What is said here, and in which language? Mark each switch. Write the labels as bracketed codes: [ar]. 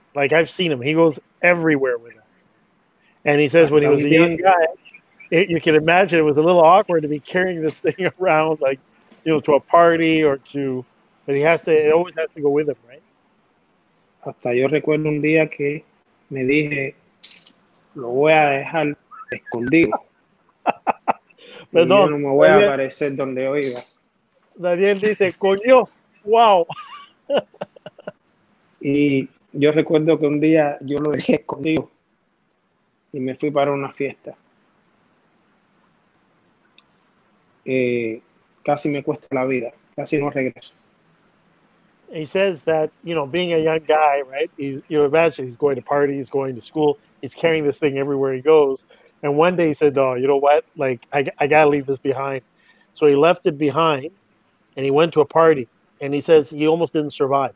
[en] Like, I've seen him. He goes everywhere with it. And he says when he was a young guy, you can imagine it was a little awkward to be carrying this thing around, like, you know, to a party or to, but it always has to go with him, right? [es] Hasta yo recuerdo un día que me dije, lo voy a dejar escondido. Perdón. Y yo no me voy a aparecer donde yo iba. Daniel dice, coño, wow. Y yo recuerdo que un día yo lo dejé escondido y me fui para una fiesta. Casi me cuesta la vida, casi no regreso. [en] He says that, you know, being a young guy, right, you imagine he's going to parties, he's going to school, he's carrying this thing everywhere he goes. And one day he said, oh, you know what, like, I got to leave this behind. So he left it behind and he went to a party. And he says he almost didn't survive.